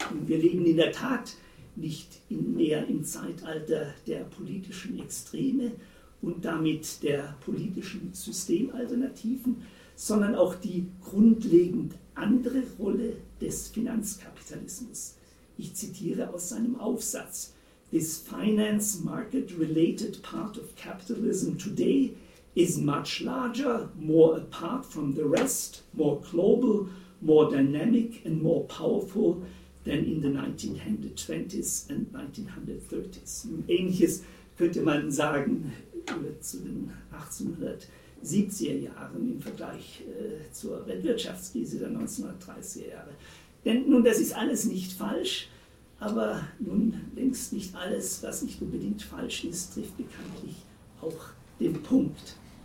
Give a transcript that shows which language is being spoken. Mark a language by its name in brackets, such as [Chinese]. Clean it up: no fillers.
[German] Wir leben in der Tat nicht mehr im Zeitalter der politischen Extreme und damit der politischen Systemalternativen, sondern auch die grundlegend andere Rolle des Finanzkapitalismus. Ich zitiere aus seinem Aufsatz: [English] "This finance market related part of capitalism today is much larger, more apart from the rest, more global, more dynamic and more powerful than in the 1920s and 1930s. [German] Ähnliches könnte man sagen zu den 1870er Jahren im Vergleich zur Weltwirtschaftskrise der 1930er Jahre. Denn nun, das ist alles nicht falsch, aber nun längst nicht alles, was nicht unbedingt falsch ist, trifft bekanntlich auch den Punkt.